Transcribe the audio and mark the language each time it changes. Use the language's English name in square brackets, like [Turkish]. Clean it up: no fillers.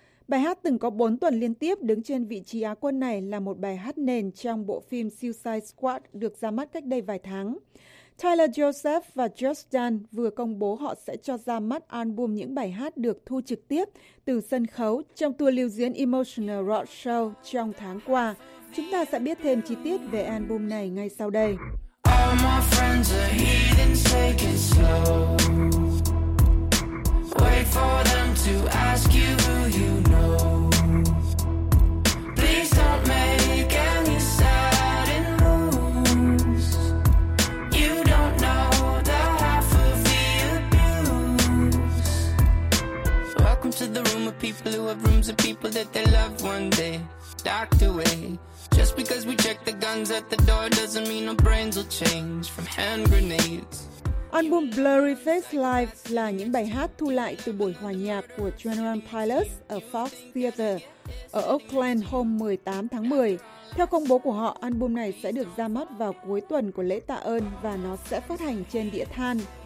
[Vietnamese] Bài hát từng có 4 tuần liên tiếp đứng trên vị trí á quân này là một bài hát nền trong bộ phim Suicide Squad được ra mắt cách đây vài tháng. Tyler Joseph và Josh Dunn vừa công bố họ sẽ cho ra mắt album những bài hát được thu trực tiếp từ sân khấu trong tour lưu diễn Emotional Road Show trong tháng qua. Chúng ta sẽ biết thêm chi tiết về album này ngay sau đây. [English] All my friends are heathens, take it slow. Wait for them to ask you who you know. Please don't make any sudden moves. You don't know the half of the abuse. Welcome to the room of people who have rooms of people that they love one day. Docked away. Just because we check the guns at the door doesn't mean our brains will change from hand grenades. [Vietnamese] Album Blurry Face Live là những bài hát thu lại từ buổi hòa nhạc của Twenty One Pilots ở Fox Theater ở Oakland hôm 18 tháng 10. Theo công bố của họ, album này sẽ được ra mắt vào cuối tuần của lễ tạ ơn và nó sẽ phát hành trên đĩa than.